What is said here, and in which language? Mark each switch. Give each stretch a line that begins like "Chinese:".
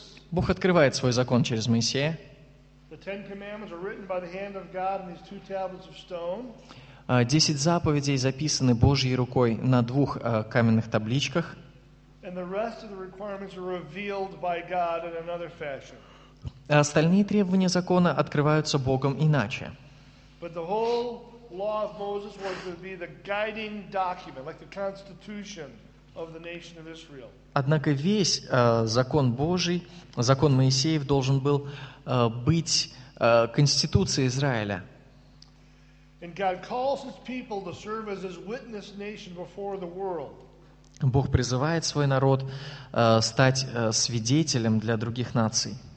Russian: Бог открывает свой закон через Моисея. 10 заповедей записаны Божьей рукой на двух каменных табличках.
English: And the rest of the requirements are revealed by God in another fashion.
Russian: А остальные требования закона открываются Богом иначе.
English: But the whole law of Moses was to be the guiding document, like the constitution of the nation of Israel.
Russian: Однако весь закон Божий, закон Моисеев, должен был быть конституцией Израиля.
English: And God calls his people to serve as his witness nation before the world.
Russian: Бог призывает свой народ стать свидетелем для других наций.